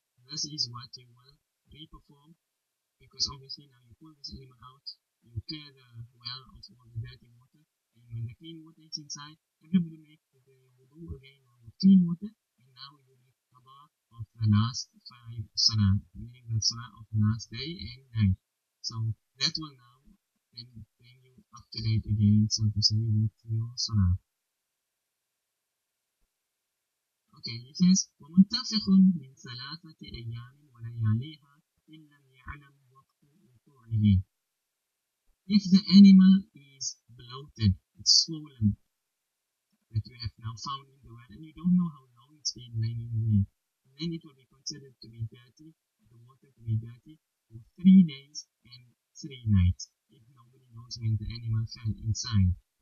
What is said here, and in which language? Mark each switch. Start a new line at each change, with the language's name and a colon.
English: This is what you will re-perform, because obviously now you pull this animal out, you clear the well of all the dirty water, and when the clean water is inside, everybody makes the wudu again on the clean water, and now you make qada of the last five salah, meaning the salah of the last day and night. So that will now then bring you up to date again, so to say, with your salah.
Arabic: Okay, he says, وَمُتَّفِقٌ مِنْ ثَلَاثَةِ أَيَّامٍ وَلَيَالِيهَا إِنْ لَمْ يَعْلَمْ وَقْتُ وُقُوعِهِ.
English: If the animal is bloated, it's swollen, that you have now found in the well, and you don't know how long it's been lying there, then it will be considered to be dirty, the water to be dirty, for 3 days and 3 nights, if nobody knows when the animal fell inside.